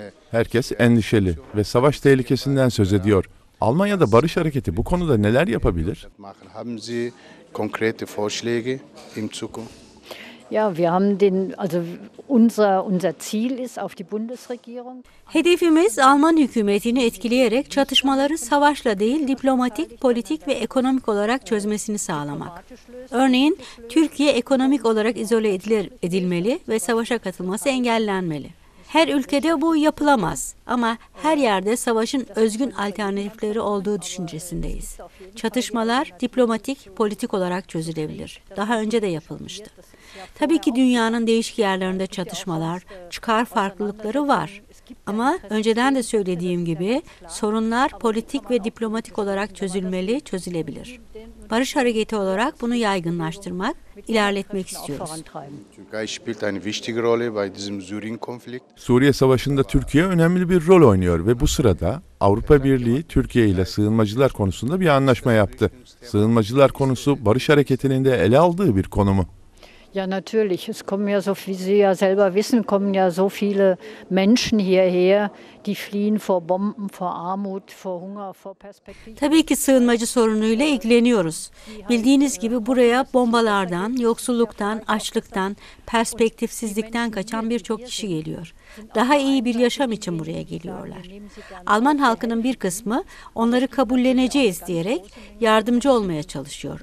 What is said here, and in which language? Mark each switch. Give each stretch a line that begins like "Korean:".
Turkish: Herkes endişeli ve savaş tehlikesinden söz ediyor. Almanya'da Barış Hareketi bu konuda neler yapabilir?
German: Haben Sie konkrete Vorschläge im Zukunft? Ja, wir haben den also unser Ziel ist auf die Bundesregierung.
Turkish: Hedefimiz Alman hükümetini etkileyerek çatışmaları savaşla değil diplomatik, politik ve ekonomik olarak çözmesini sağlamak. Örneğin Türkiye ekonomik olarak izole edilmeli ve savaşa katılması engellenmeli. Her ülkede bu yapılamaz ama her yerde savaşın özgün alternatifleri olduğu düşüncesindeyiz. Çatışmalar diplomatik, politik olarak çözülebilir. Daha önce de yapılmıştı. Tabii ki dünyanın değişik yerlerinde çatışmalar, çıkar farklılıkları var. Ama önceden de söylediğim gibi sorunlar politik ve diplomatik olarak çözülmeli, çözülebilir. Barış Hareketi olarak bunu yaygınlaştırmak, ilerletmek istiyoruz. Suriye Savaşı'nda Türkiye önemli bir rol oynuyor ve bu sırada Avrupa Birliği Türkiye ile sığınmacılar konusunda bir anlaşma yaptı. Sığınmacılar konusu Barış Hareketi'nin de ele aldığı bir konu mu?
German: Ja natürlich, es kommen ja so wie Sie ja selber wissen, kommen ja so viele Menschen hierher, die fliehen vor Bomben, vor Armut, vor Hunger, vor Perspektive.
Turkish: Tabii ki sığınmacı sorunuyla ilgileniyoruz. Bildiğiniz gibi buraya bombalardan, yoksulluktan, açlıktan, perspektifsizlikten kaçan birçok kişi geliyor. Daha iyi bir yaşam için buraya geliyorlar. Alman halkının bir kısmı onları kabulleneceğiz diyerek yardımcı olmaya çalışıyor.